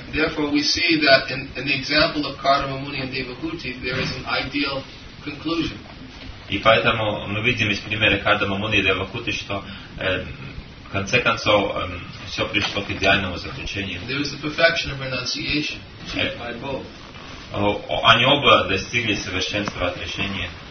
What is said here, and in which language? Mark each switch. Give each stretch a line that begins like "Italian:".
English: Therefore, we see that in the example of Kadava Muni and Devahuti, there is an ideal conclusion.
Russian: И поэтому мы видим из примера Кадава Муни и Девахути, что в конце концов все пришло к идеальному заключению.
English: There is the perfection of renunciation achieved by both.
Russian: Они оба достигли совершенства отрешения.